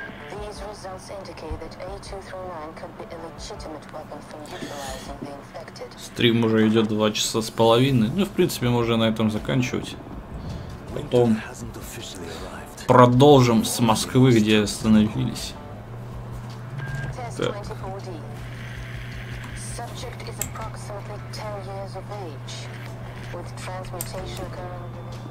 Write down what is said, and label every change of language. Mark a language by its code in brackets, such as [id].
[en] These results indicate that A239 could be a legitimate weapon for neutralizing the infected. [ru] Стрим уже идет 2:30. Ну, в принципе, можно на этом заканчивать. Потом продолжим с Москвы, где остановились. Так. [en] Subject is approximately 10 years of age, with transmutation occurring.